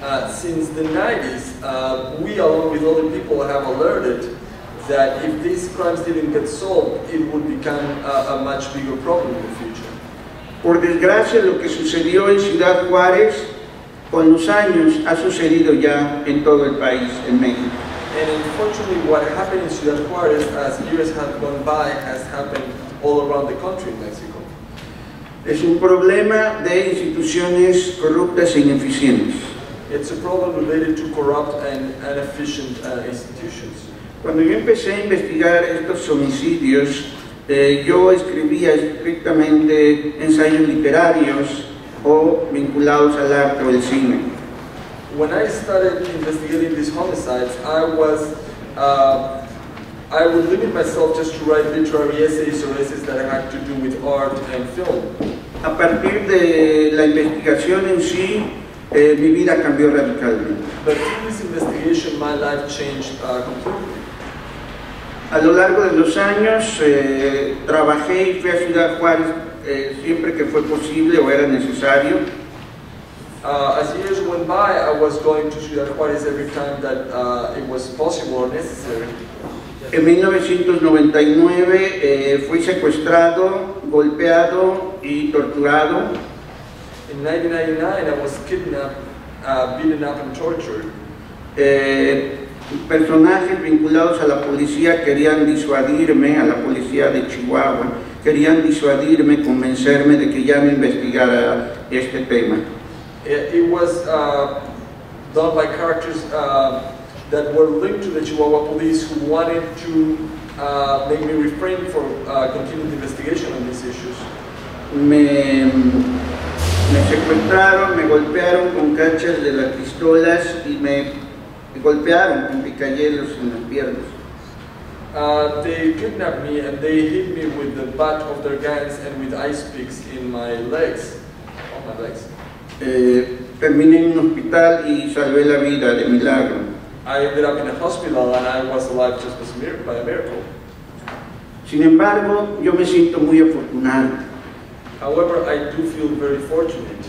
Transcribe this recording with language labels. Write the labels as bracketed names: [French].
[English] Since the 90s, we along with other people have alerted that if these crimes didn't get solved, it would become a much bigger problem in the future. [Spanish] Por desgracia, lo que sucedió en Ciudad Juárez, con los años, ha sucedido ya en todo el país, en México. [English] And unfortunately, what happened in Ciudad Juárez, as years have gone by, has happened all around the country in Mexico. [Spanish] Es un problema de instituciones corruptas e ineficientes. [English] It's a problem related to corrupt and inefficient institutions. [Spanish] Cuando yo empecé a investigar estos homicidios, yo escribía estrictamente ensayos literarios o vinculados al arte o el cine. [English] When I started investigating these homicides, I would limit myself just to write literary essays or essays that had to do with art and film. [Spanish] A partir de la investigación en sí, mi vida cambió radicalmente. [English] But through this investigation, my life changed completely. [Spanish] A lo largo de los años, trabajé y fui a Ciudad Juárez siempre que fue posible o era necesario. [English] As years went by, I was going to Ciudad Juárez every time that it was possible or necessary. [Spanish] En 1999 fui secuestrado, golpeado y torturado. [English] In 1999, I was kidnapped, beaten up and tortured. [Spanish] Personajes vinculados a la policía querían disuadirme, a la policía de Chihuahua, querían disuadirme, convencerme de que ya no investigara este tema. [English] It was done by characters that were linked to the Chihuahua police who wanted to make me refrain from continuing the investigation on these issues. [Spanish] Me secuestraron, me golpearon con cachas de las pistolas y me golpearon con picayelos en las piernas. [English] They kidnapped me and they hit me with the butt of their guns and with ice picks in my legs, on my legs. [Spanish] Terminé en un hospital y salvé la vida de milagro. [English] I ended up in a hospital and I was alive just by a miracle. [Spanish] Sin embargo, yo me siento muy afortunado. [English] However, I do feel very fortunate.